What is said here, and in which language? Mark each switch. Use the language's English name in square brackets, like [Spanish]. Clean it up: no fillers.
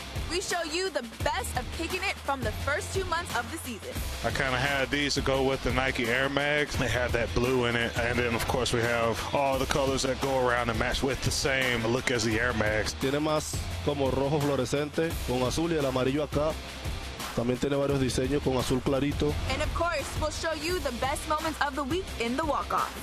[English] We show you the best of kicking it from the first 2 months of the season. I kind of had these to go with the Nike Air Mags. They had that blue in it. And then, of course, we have all the colors that go around and match with the same look as the Air Mags. [Spanish] Tiene más como rojo fluorescente con azul y el amarillo acá. También tiene varios diseños con azul clarito. [English] And, of course, we'll show you the best moments of the week in the walk-off.